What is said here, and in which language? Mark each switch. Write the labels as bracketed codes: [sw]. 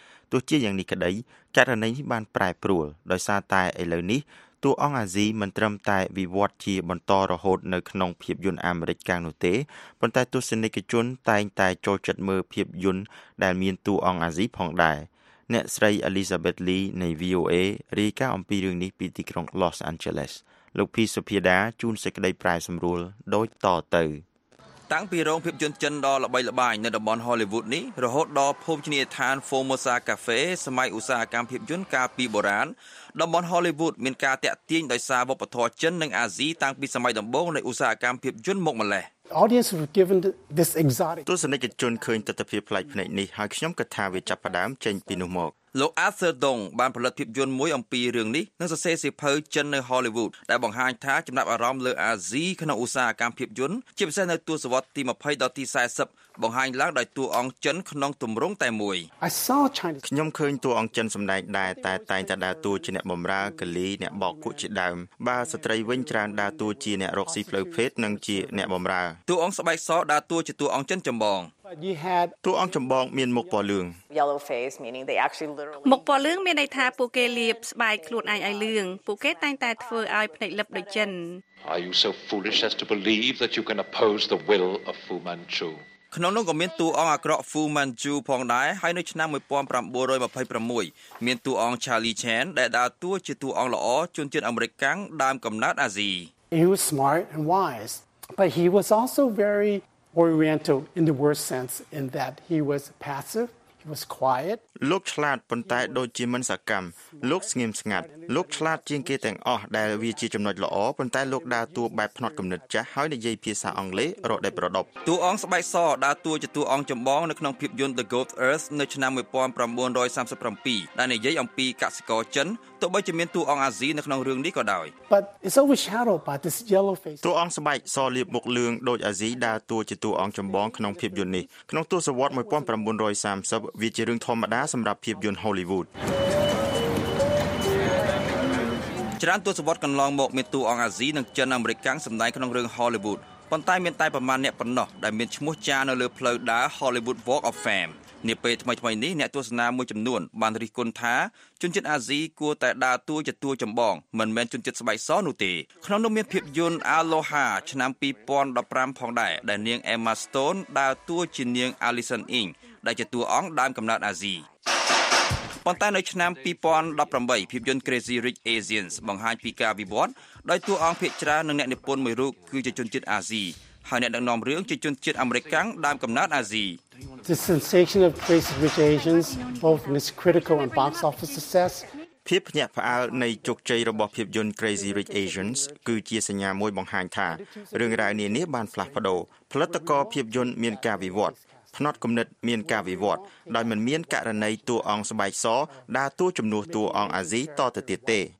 [km] ទោះជាយ៉ាងនេះក្តីករណីនេះបានប្រែប្រួលដោយសារតែឥឡូវនេះតួអង្គអាស៊ីមិនត្រឹមតែវិវត្តជាបន្តរហូតនៅក្នុងភាពយន្តអាមេរិកកាំងនោះទេប៉ុន្តែទស្សនិកជនតែងតែចូលចិត្តមើលភាពយន្តដែលមានតួអង្គអាស៊ីផងដែរអ្នកស្រី Elizabeth Lee នៃ VOA រាយការណ៍អំពីរឿងនេះពីទីក្រុង Los Angeles លោកភីសុភាដាជួនសេចក្តីប្រែសម្រួលដូចតទៅ តាំងពីរោងភាពយន្តចិនដ៏ល្បីល្បាញនៅតំបន់ Hollywood នេះរហូតដល់ភោជនីយដ្ឋាន Formosa Cafe សម័យឧស្សាហកម្មភាពយន្តកាលពីបុរាណតំបន់ Hollywood មានការតាក់ទាញដោយសារវប្បធម៌ចិននិងអាស៊ីតាំងពីសម័យដំបូងនៃឧស្សាហកម្មភាពយន្តមកម្លេះ [en] Audience were given this exotic [km] ទស្សនិកជនឃើញទិដ្ឋភាពប្លែកភ្នែកនេះហើយខ្ញុំគិតថាវាចាប់ផ្ដើមចេញពីនោះមក លោក Arthur Dong បានផលិតភាពយន្តមួយអំពីរឿងនេះនឹងសរសេរសៀវភៅចិននៅ Hollywood ដែលបង្ហាញថាចំណាប់អារម្មណ៍លើអាស៊ីក្នុងឧស្សាហកម្មភាពយន្តជាពិសេសនៅទសវត្សរ៍ទី20ដល់ទី40បង្ហាញឡើងដោយតួអង្គចិនក្នុងទម្រង់តែមួយ ខ្ញុំឃើញតួអង្គចិនសម្ដែងដែរតែតែងតែដើរតួជាអ្នកបម្រើកលីអ្នកបោកគក់ជាដើមបើស្ត្រីវិញច្រើនដើរតួជាអ្នករកស៊ីផ្លូវភេទនិងជាអ្នកបម្រើ តួអង្គស្បែកសដើរតួជាតួអង្គចិនចម្បង តួអង្គចម្បងមានមុខពណ៌លឿង មុខពណ៌លឿងមានន័យថាពួកគេលាបស្បែកខ្លួនឯងឲ្យលឿងពួកគេតែងតែធ្វើឲ្យភ្នែកលិបដូចចិន [en] Are you so foolish as to believe that you can oppose the will of Fu Manchu? [km] ក្នុងនោះក៏មានតួអង្គអាក្រក់ Fu Manchu ផងដែរហើយនៅឆ្នាំ1926មានតួអង្គ Charlie Chan ដែលដើរតួជាតួអង្គល្អជនជាតិអាមេរិកកាំងដើមកំណើតអាស៊ី [en] He was smart and wise but he was also very oriental in the worst sense in that he was passive he was quiet [km] លោកឆ្លាតប៉ុន្តែដូចជាមិនសកម្មលោកស្ងៀមស្ងាត់លោកឆ្លាតជាងគេទាំងអស់ដែលវាជាចំណុចល្អប៉ុន្តែលោកដើរតួបែបផ្នត់គំនិតចាស់ហើយនិយាយភាសាអង់គ្លេសរដូវប្រដប់តួអង្គស្បែកសដើរតួជាតួអង្គចម្បងនៅក្នុងភាពយន្ត The Goat Earth នៅឆ្នាំ1937ដែលនិយាយអំពីកសិករចិនទោះបីជាមានតួអង្គអាស៊ីនៅក្នុងរឿងនេះក៏ដោយ [en] But it's overshadowed by this yellow face [km] តួអង្គស្បែកសលៀបមុខលឿងដូចអាស៊ីដើរតួជាតួអង្គចម្បងក្នុងភាពយន្តនេះក្នុងទសវត្ស1930វាជារឿងធម្មតាសម្រាប់ភាពយន្ត Hollywood ច្រើនទស្សវត្សកន្លងមកមានតួអង្គអាស៊ីនិងចិនអាមេរិកកាំងសម្ដែងក្នុងរឿង Hollywood ប៉ុន្តែមានតែប្រមាណអ្នកប៉ុណ្ណោះដែលមានឈ្មោះចារនៅលើផ្លូវដើរ Hollywood Walk of Fame នេះពេលថ្មីៗនេះអ្នកទស្សនាមួយចំនួនបានរិះគន់ថាជនជាតិអាស៊ីគួរតែដើរតួជាតួចម្បងមិនមែនជនជាតិស្បែកសនោះទេក្នុងនោះមានភាពយន្ត Aloha ឆ្នាំ2015ផងដែរដែលនាង Emma Stone ដើរតួជានាង Alison Ing ដែលជាតួអង្គដើមកំណើតអាស៊ី ប៉ុន្តែនៅឆ្នាំ2018ភាពយន្ត Crazy Rich Asians បង្ហាញពីការវិវត្តដោយតួអង្គភាគច្រើននិងអ្នកនិពន្ធមួយរូបគឺជាជនជាតិអាស៊ីហើយអ្នកដឹកនាំរឿងជាជនជាតិអាមេរិកកាំងដើមកំណើតអាស៊ី [en] The sensation of Crazy Rich Asians both in its critical and box office success [km] ភាពភ្ញាក់ផ្អើលនៃជោគជ័យរបស់ភាពយន្ត Crazy Rich Asians គឺជាសញ្ញាមួយបង្ហាញថារឿងរ៉ាវនានាបានផ្លាស់ប្ដូរផលិតករភាពយន្តមានការវិវត្តផ្នត់គំនិតមានការវិវត្តដោយមិនមានករណីតួអង្គស្បែកសដើរតួជំនួសតួអង្គអាស៊ីតទៅទៀតទេ